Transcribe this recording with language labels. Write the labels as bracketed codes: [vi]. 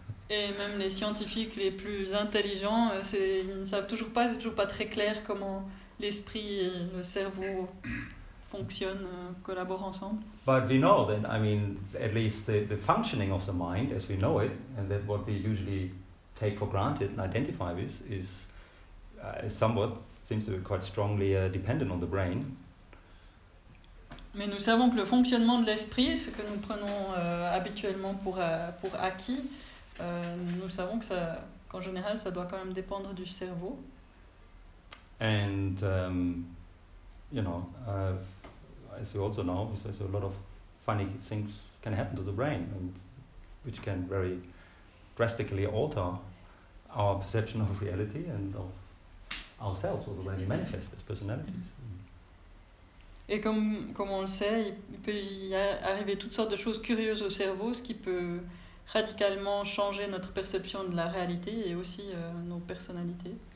[fr] Et même les scientifiques les plus intelligents, ils ne savent toujours pas, c'est toujours pas très clair comment l'esprit et le cerveau fonctionnent, collaborent ensemble. [en] But we know that, I mean, at least the functioning of the mind as we know it, and that what we usually take for granted and identify with, is somewhat seems to be quite strongly dependent on the brain. [fr] Mais nous savons que le fonctionnement de l'esprit, ce que nous prenons habituellement pour acquis, nous savons que ça, qu'en général, ça doit quand même dépendre du cerveau. [en] And you know, as you also know, there's a lot of funny things can happen to the brain, and which can very drastically alter our perception of reality and of ourselves, or the way we manifest as personalities. [fr] Et comme on le sait, il peut y arriver toutes sortes de choses curieuses au cerveau, ce qui peut radicalement changer notre perception de la réalité et aussi nos personnalités.